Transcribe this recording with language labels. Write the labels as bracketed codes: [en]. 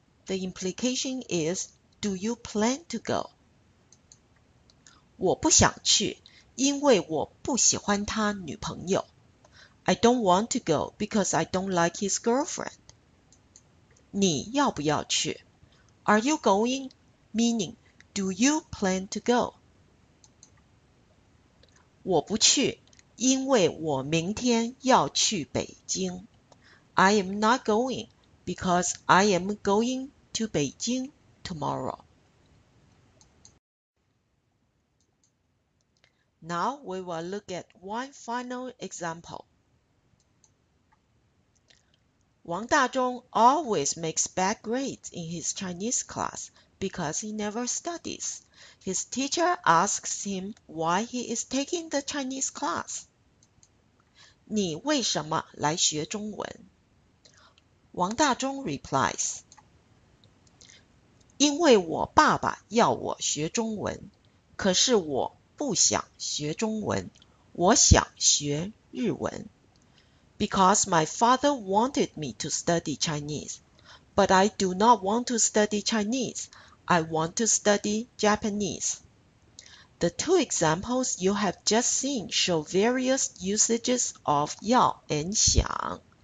[en] The implication is, do you plan to go? [zh] 我不想去。因为我不喜欢他女朋友。 [en] I don't want to go because I don't like his girlfriend. [zh] 你要不要去? [en] Are you going? Meaning, do you plan to go? [zh] 我不去,因为我明天要去北京。 [en] I am not going because I am going to Beijing tomorrow. Now we will look at one final example. 王大中 always makes bad grades in his Chinese class because he never studies. His teacher asks him why he is taking the Chinese class. [zh] 你为什么来学中文？ [en] 王大中 replies, [zh] 因为我爸爸要我学中文，可是我不想学中文，我想学日文。 [en] Because my father wanted me to study Chinese, but I do not want to study Chinese. I want to study Japanese. The two examples you have just seen show various usages of 要 and 想.